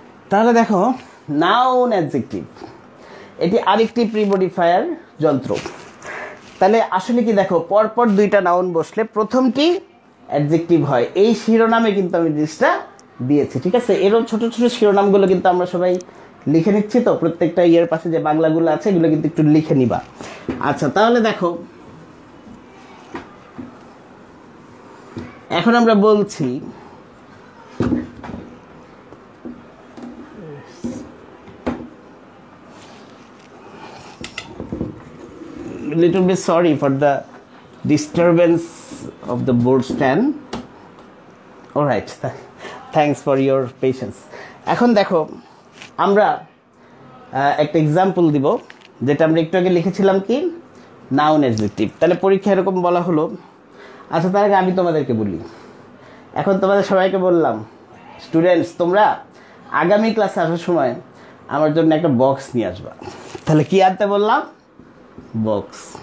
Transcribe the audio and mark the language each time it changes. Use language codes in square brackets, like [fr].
[bn] তাহলে দেখো noun adjective এটি আরেকটি প্রি মডিফায়ার যন্ত্র। তাহলে আসলে কি দেখো, পরপর দুইটা নাউন বসলে প্রথমটি অ্যাডজেক্টিভ হয়, এই শিরোনামে কিন্তু আমি জিনিসটা দিয়েছি, ঠিক আছে। এরকম ছোটো ছোটো শিরোনামগুলো কিন্তু আমরা সবাই লিখে নিচ্ছি, তো প্রত্যেকটা ইয়ের পাশে যে বাংলাগুলো আছে এগুলো কিন্তু একটু লিখে নিবা। আচ্ছা তাহলে দেখো, এখন আমরা বলছি [en] little bit sorry for the disturbance of the board stand, all right, thanks for your patience. [bn] এখন দেখো আমরা একটা এক্সাম্পল দিব যেটা আমরা একটু আগে লিখেছিলাম কি নাউন অ্যাডজেক্টিভ। তাহলে পরীক্ষা এরকম বলা হলো, আচ্ছা তার আগে আমি তোমাদেরকে বলি, এখন তোমাদের সবাইকে বললাম স্টুডেন্টস তোমরা আগামী ক্লাসে আসার সময় আমার জন্য একটা বক্স নিয়ে আসবা। তাহলে কী আনতে বললাম? বক্স।